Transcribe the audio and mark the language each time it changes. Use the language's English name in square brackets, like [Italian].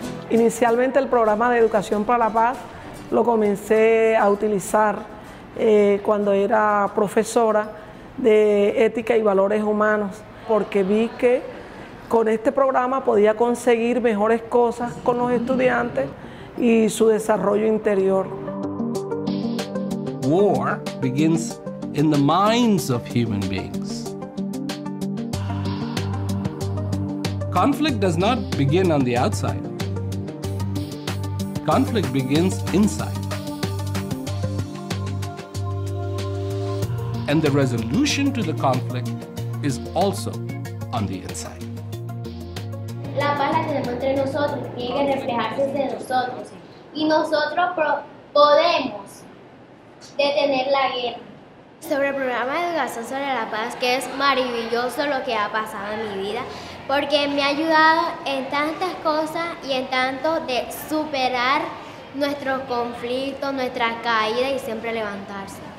[Spanish] Inicialmente el programa de Educación para la Paz lo comencé a utilizar cuando era profesora de Ética y Valores Humanos, porque vi que con este programa podía conseguir mejores cosas con los estudiantes y su desarrollo interior. [English] War begins in the minds of human beings. Conflict does not begin on the outside. Conflict begins inside. And the resolution to the conflict is also on the inside. [Spanish] La paz la tenemos entre nosotros, tiene que reflejarse desde nosotros. Y nosotros podemos detener la guerra. Sobre el programa de educación sobre la paz, que es maravilloso lo que ha pasado en mi vida, porque me ha ayudado en tantas cosas y en tanto de superar nuestros conflictos, nuestras caídas y siempre levantarse.